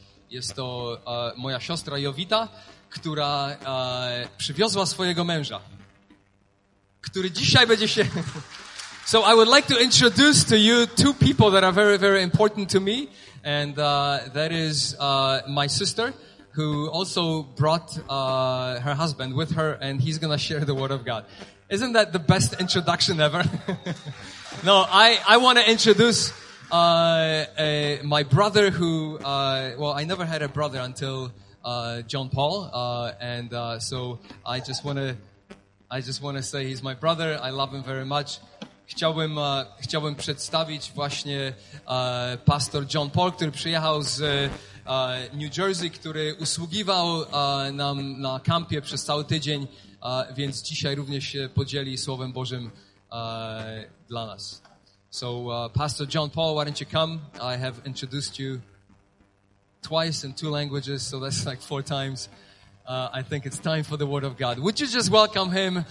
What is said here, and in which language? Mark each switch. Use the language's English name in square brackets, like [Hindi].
[Polish] Jest to moja siostra Jovita, która przywiozła swojego męża, który dzisiaj będzie się... [English] So I would like to introduce to you two people that are very, very important to me. And that is my sister, who also brought her husband with her, and he's going to share the word of God. Isn't that the best introduction ever? No, I want to introduce my brother who, well, I never had a brother until John Paul. So I just want to say he's my brother. I love him very much. [Polish] Chciałbym przedstawić właśnie pastor John Paul, który przyjechał z New Jersey, który usługiwał nam na kampie przez cały tydzień, więc dzisiaj również się podzieli Słowem Bożym dla nas. [English] So, Pastor John Paul, why don't you come? I have introduced you twice in two languages, so that's like four times. I think it's time for the Word of God. Would you just welcome him?